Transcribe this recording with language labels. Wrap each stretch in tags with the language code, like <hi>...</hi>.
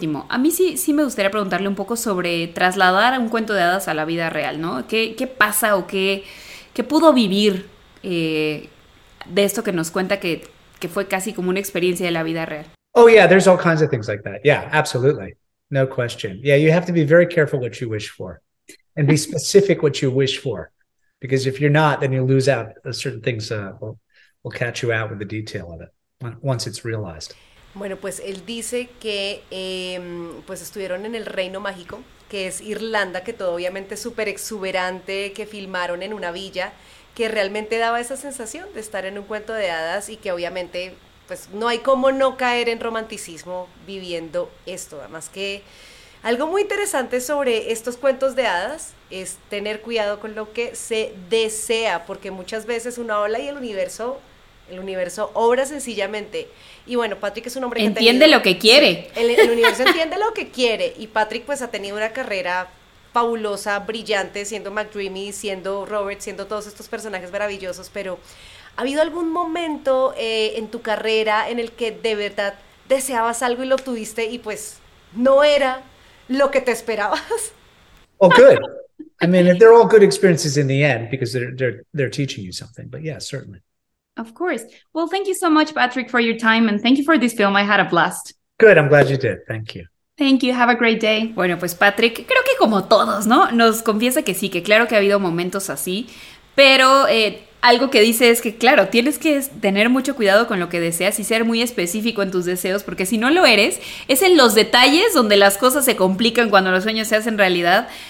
<es>A mí sí me gustaría preguntarle un poco sobre trasladar un cuento de hadas a la vida real, ¿no? ¿Qué pasa o qué pudo vivir de esto que nos cuenta que fue casi como una experiencia de la vida real?</es> <en>Oh, yeah, there's all kinds of things like that. Yeah, absolutely. No question. Yeah, you have to be very careful what you wish for and be specific what you wish for. Because if you're not, then you lose out. Certain things will catch you out with the detail of it once it's realized.</en> <es>Bueno, pues él dice que pues estuvieron en el Reino Mágico, que es Irlanda, que todo obviamente es súper exuberante, que filmaron en una villa, que realmente daba esa sensación de estar en un cuento de hadas y que obviamente pues no hay cómo no caer en romanticismo viviendo esto. Además que algo muy interesante sobre estos cuentos de hadas es tener cuidado con lo que se desea, porque muchas veces uno habla y el universo obra sencillamente. Y bueno, Patrick es un hombre que entiende lo que quiere. El universo entiende lo que quiere. Y Patrick pues ha tenido una carrera fabulosa, brillante, siendo McDreamy, siendo Robert, siendo todos estos personajes maravillosos. Pero ¿ha habido algún momento en tu carrera en el que de verdad deseabas algo y lo obtuviste y pues no era lo que te esperabas?</es> <en>Oh, good. I mean, they're all good experiences in the end because they're teaching you something. But yeah, certainly. Of course. Well, thank you so much, Patrick, for your time and thank you for this film. I had a blast. Good. I'm glad you did. Thank you. Thank you. Have a great day.</en> <es>Bueno, pues Patrick, creo que como todos, ¿no? Nos confiesa que sí, que claro que ha habido momentos así, pero algo que dice es que, claro, tienes que tener mucho cuidado con lo que deseas y ser muy específico en tus deseos, porque si no lo eres, es en los detalles donde las cosas se complican cuando los sueños se hacen realidad.</es>